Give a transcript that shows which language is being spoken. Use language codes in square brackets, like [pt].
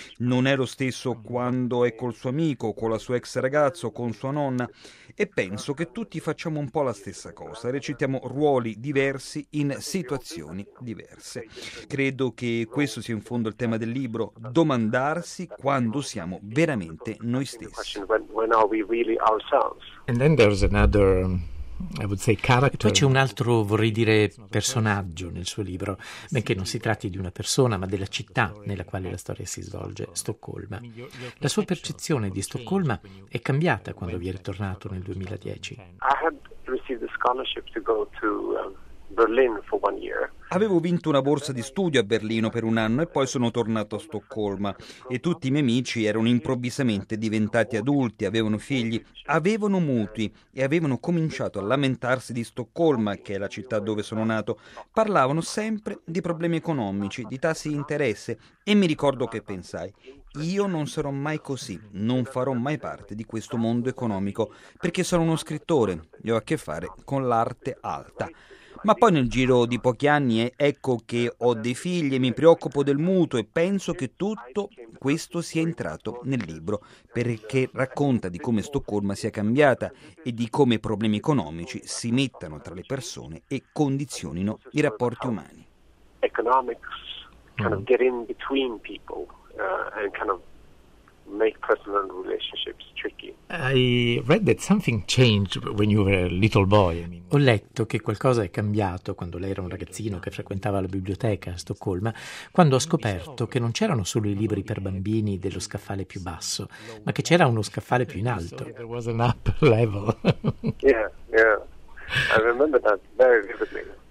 [it] Non è lo stesso quando è col suo amico, con la sua ex ragazza, con sua nonna, e penso che tutti facciamo un po' la stessa cosa, recitiamo ruoli diversi in situazioni diverse. Credo che questo sia in fondo il tema del libro, domandarsi quando siamo veramente noi stessi. [en] And then there's another... I would say character. [it] Poi c'è un altro, vorrei dire, personaggio nel suo libro, benché non si tratti di una persona, ma della città nella quale la storia si svolge, Stoccolma. La sua percezione di Stoccolma è cambiata quando vi è ritornato nel 2010. [en] I had received a scholarship to go to Berlin for one year. [it] Avevo vinto una borsa di studio a Berlino per un anno e poi sono tornato a Stoccolma e tutti i miei amici erano improvvisamente diventati adulti, avevano figli, avevano mutui e avevano cominciato a lamentarsi di Stoccolma, che è la città dove sono nato. Parlavano sempre di problemi economici, di tassi di interesse e mi ricordo che pensai: io non sarò mai così, non farò mai parte di questo mondo economico perché sono uno scrittore e ho a che fare con l'arte alta. Ma poi nel giro di pochi anni ecco che ho dei figli e mi preoccupo del mutuo e penso che tutto questo sia entrato nel libro perché racconta di come Stoccolma sia cambiata e di come problemi economici si mettano tra le persone e condizionino i rapporti umani. [en] Economics kind of get in between people and kind of make personal relationships tricky. I read that something changed when you were a little boy. [it] Ho letto che qualcosa è cambiato quando lei era un ragazzino che frequentava la biblioteca a Stoccolma, quando ha scoperto che non c'erano solo i libri per bambini dello scaffale più basso, ma che c'era uno scaffale più in alto. [en] There was an upper level. Yeah, yeah. I remember that very vividly.